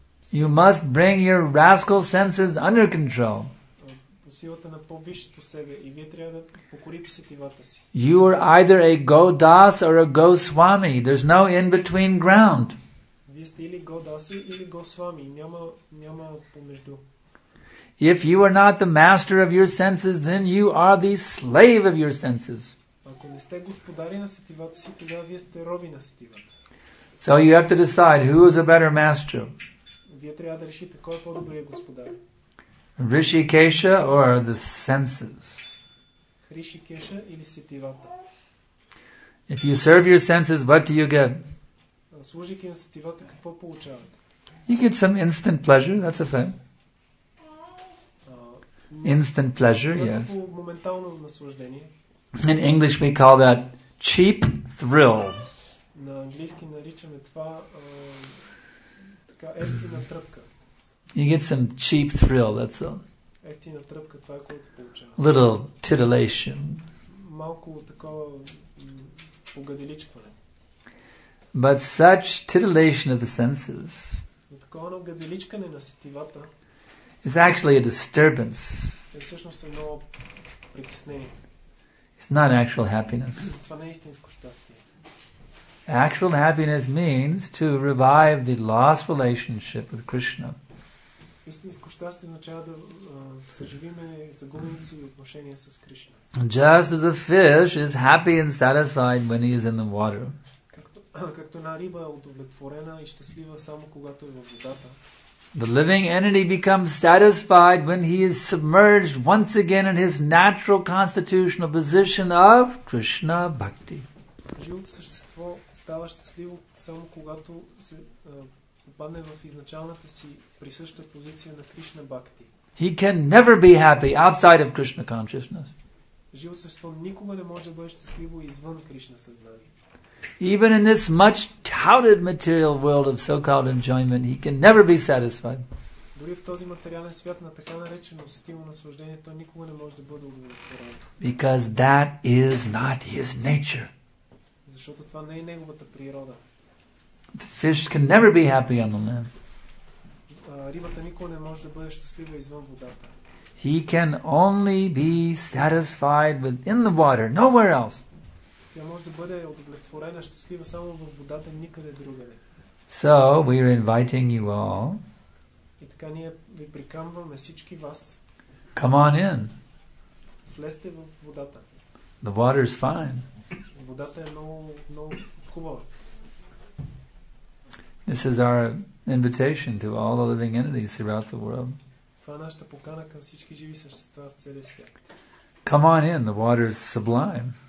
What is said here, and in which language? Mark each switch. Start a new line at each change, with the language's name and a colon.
English: You must bring your rascal senses under control.
Bulgarian: силата на по-висшето себе и вие трябва да покорите сетивата си.
English: You are either a Godas or a Goswami. There's no in between ground.
Bulgarian: Вие сте или Godasi или Goswami. Няма помежду.
English: If you are not the master of your senses, then you are the slave of your senses.
Bulgarian: Ако не сте господари на сетивата си, тогава вие сте роби на сетивата.
English: So you have to decide who is a better master.
Bulgarian: Вие трябва да решите кой е по-добрият господар.
English: Rishikesha or the senses?
Bulgarian: Rishikesha или сетивата?
English: If you serve your senses, what do you get?
Bulgarian: Служайки на сетивата, какво получавате?
English: You get some instant pleasure, that's a fact. Instant pleasure, yes.
Bulgarian: Моментално наслаждение.
English: In English we call that cheap thrill.
Bulgarian: На английски наричаме това така евтина тръпка.
English: You get some cheap thrill, that's all.
Bulgarian: Евтина тръпка, това е което получаваш.
English: Little titillation.
Bulgarian: Малко такова угаделичкване.
English: But such titillation of the senses.
Bulgarian: Такова угаделичкане на сетивата.
English: Is actually a disturbance.
Bulgarian: Е всъщност едно притеснение.
English: It's not actual happiness.
Bulgarian: Това не е истинско щастие.
English: Actual happiness means to revive the lost relationship with Krishna.
Bulgarian: Истинско щастие означава да съживиме загубените си отношения с Кришна.
English: Just as a fish is happy and satisfied when he is in the water.
Bulgarian: Както на риба е удовлетворена и щастлива само когато е във водата.
English: The living entity becomes satisfied when he is submerged once again in his natural constitutional position of Krishna Bhakti.
Bulgarian: Живото същество става щастливо само когато се попадне в изначалната си присъща позиция на Кришна Бхакти.
English: He can never be happy outside of Krishna consciousness.
Bulgarian: Живото същество никога не може да бъде щастливо извън Кришна съзнание.
English: Even in this much touted material world of so-called enjoyment, he can never be satisfied.
Bulgarian: Дори в този материален свят на така наречено стимул наслаждение, той никога не може да бъде удовлетворен.
English: Because that is not his nature.
Bulgarian: Защото това не е неговата природа.
English: The fish can never be happy on the land.
Bulgarian: Рибата никога не може да бъде щастлива извън водата.
English: He can only be satisfied within the water, nowhere else.
Bulgarian: Тя може да бъде удовлетворена, щастлива само във водата, никъде другаде.
English: So, we are inviting you all.
Bulgarian: И така ние ви приканваме всички вас.
English: Come on in.
Bulgarian: Влезте в водата.
English: The water is fine.
Bulgarian: Водата е много, много хубава.
English: This is our invitation to all the living entities throughout the world.
Bulgarian: Това е нашата покана към всички живи същества в целия свят.
English: Come on in, the water is sublime.